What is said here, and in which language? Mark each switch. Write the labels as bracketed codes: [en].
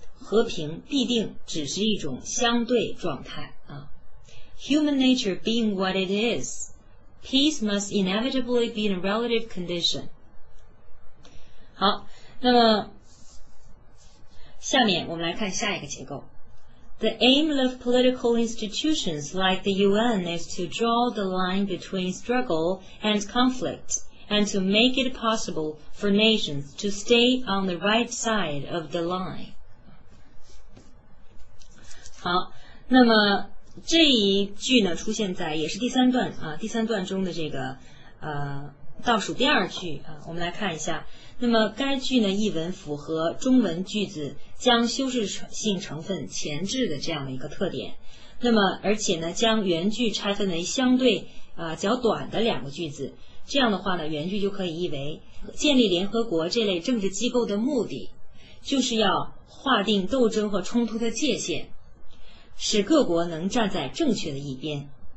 [zh] 和平必定只是一种相对状态啊。 [en] Human nature being what it is, peace must inevitably be a relative condition. [zh] 好，那么下面我们来看下一个结构。 [en] The aim of political institutions like the UN is to draw the line between struggle and conflict and to make it possible for nations to stay on the right side of the line. [zh] 好，那么这一句呢出现在也是第三段啊，第三段中的这个倒数第二句啊，我们来看一下。那么该句呢译文符合中文句子将修饰性成分前置的这样的一个特点，那么而且呢将原句拆分为相对较短的两个句子，这样的话呢原句就可以译为建立联合国这类政治机构的目的就是要划定斗争和冲突的界限，使各国能站在正确的一边。